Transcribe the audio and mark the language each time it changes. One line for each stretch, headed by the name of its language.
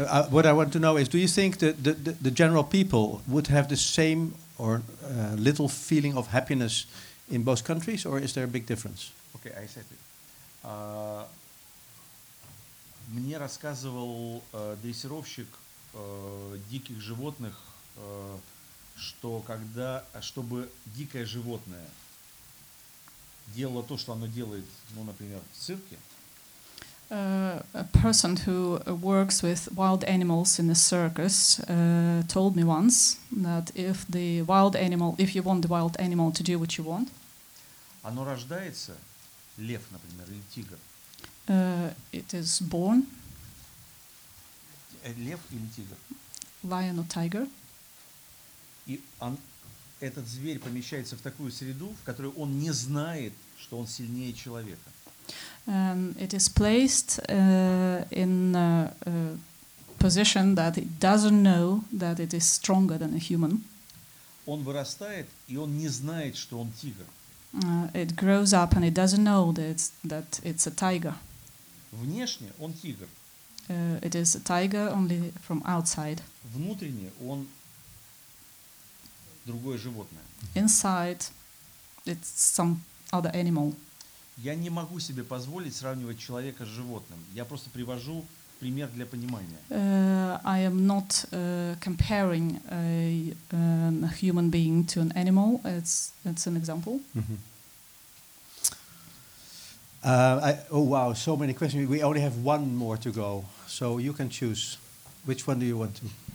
English: What I want to know is, do you think that the general people would have the same or little feeling of happiness in both countries, or is there a big difference? Okay, I said it.
Russian: Мне рассказывал дрессировщик диких животных, что когда, чтобы дикое животное делало то, что оно делает, ну, например, в цирке.
English: A person who works with wild animals in a circus told me once that if the wild animal, if you want the wild animal to do what you want,
Russian: оно рождается, лев, например, или тигр.
English: It is born.
Russian: Лев или тигр?
English: Lion or tiger.
Russian: И он, этот зверь помещается в такую среду, в которой он не знает, что он сильнее человека.
English: It is placed in a position that it doesn't know that it is stronger than a human.
Russian: Он вырастает, и он не знает, что он тигр.
English: It grows up and it doesn't know that it's a tiger.
Russian: Внешне он тигр.
English: It is a tiger only from outside.
Russian: Внутренне он другое животное.
English: Inside it's some other animal.
Russian: Я не могу себе позволить сравнивать человека с животным. Я просто привожу пример для понимания.
English: I am not comparing a human being to an animal. It's an example. Wow, so many questions. We only have one more to go. So you can choose. Which one do you want to?